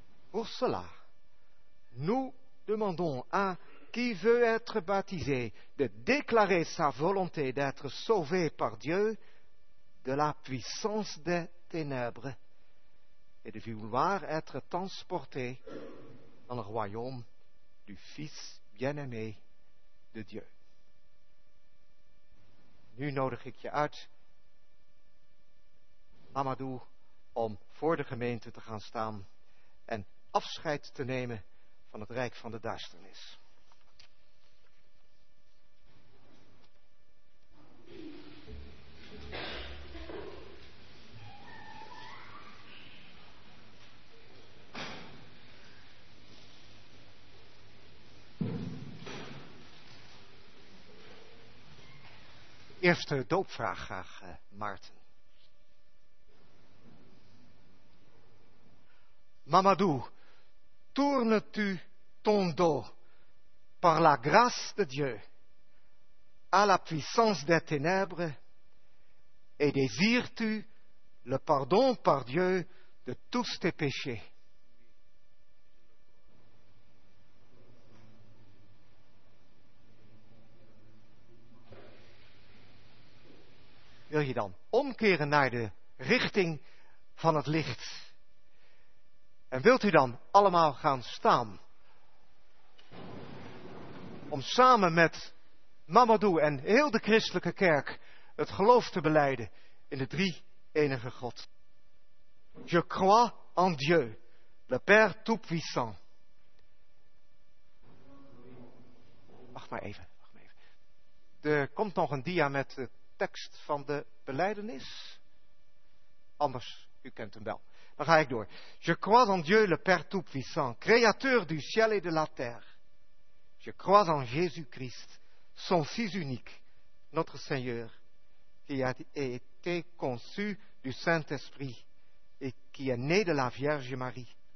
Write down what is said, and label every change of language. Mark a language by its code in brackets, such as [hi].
[fr] Pour cela, nous demandons à qui veut être baptisé de déclarer sa volonté d'être sauvé par Dieu de la puissance des ténèbres et de vouloir être transporté dans le royaume du Fils bien-aimé de Dieu. [nl] Nu nodig ik je uit, Amadou, om voor de gemeente te gaan staan en afscheid te nemen van het Rijk van de Duisternis. Eerste doopvraag graag, Maarten. [fr] Mamadou, tourne-tu ton dos par la grâce de Dieu à la puissance des ténèbres et désires-tu le pardon par Dieu de tous tes péchés? [nl] Wil je dan omkeren naar de richting van het licht? En wilt u dan allemaal gaan staan? Om samen met Mamadou en heel de christelijke kerk het geloof te belijden in de drie enige God. [fr] Je crois en Dieu, le Père Tout-Puissant. [nl] Wacht maar even. Er komt nog een dia met de tekst van de belijdenis. Anders, u kent hem wel. Dan ga ik door. [fr] Je crois en Dieu, le Père Tout-Puissant, créateur du ciel et de la terre. Je crois en Jésus-Christ, son Fils unique, notre Seigneur, qui a été conçu du Saint-Esprit et qui est né de la Vierge Marie.